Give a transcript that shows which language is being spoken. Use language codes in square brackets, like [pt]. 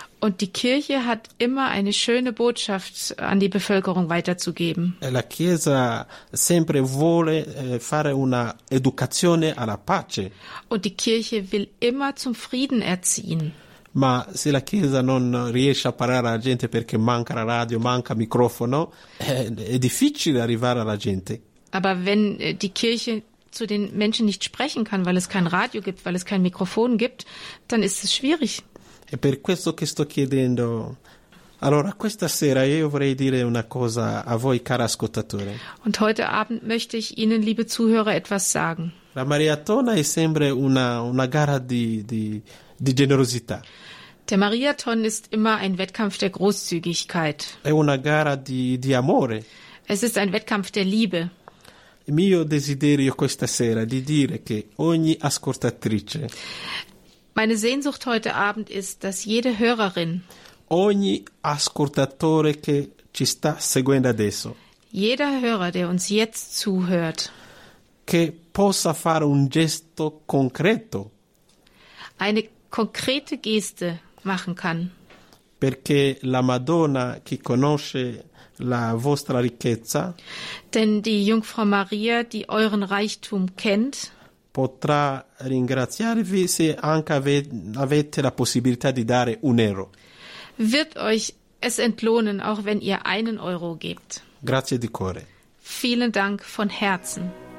[de] Und die Kirche hat immer eine schöne Botschaft an die Bevölkerung weiterzugeben. [it] La Chiesa sempre vuole fare una educazione alla pace. [de] Und die Kirche will immer zum Frieden erziehen. [it] Ma se la Chiesa non riesce a parlare alla gente perché manca la radio, manca microfono, è difficile arrivare alla gente. [de] Aber wenn die Kirche zu den Menschen nicht sprechen kann, weil es kein Radio gibt, weil es kein Mikrofon gibt, dann ist es schwierig. [it] E per questo che sto chiedendo. Allora, questa sera io vorrei dire una cosa a voi, cari ascoltatori. [de] Und heute Abend möchte ich Ihnen, liebe Zuhörer, etwas sagen. [it] La Mariatona è sempre una gara di generosità. [de] Der Mariathon ist immer ein Wettkampf der Großzügigkeit. [it] È una gara di amore. [de] Es ist ein Wettkampf der Liebe. [it] Il mio desiderio questa sera di dire che ogni ascoltatrice. [de] Meine Sehnsucht heute Abend ist, dass jede Hörerin, [it] ogni ascoltatore che ci sta seguendo adesso, [de] jeder Hörer, der uns jetzt zuhört, [it] che possa fare un gesto concreto, [de] eine konkrete Geste machen kann. [it] Perché la Madonna che conosce la vostra ricchezza, [de] denn die Jungfrau Maria, die euren Reichtum kennt, [it] potrà ringraziarvi se anche avete la possibilità di dare un euro. [de] Wird euch es entlohnen, auch wenn ihr einen Euro gebt. [it] Grazie di cuore. [de] Vielen Dank von Herzen.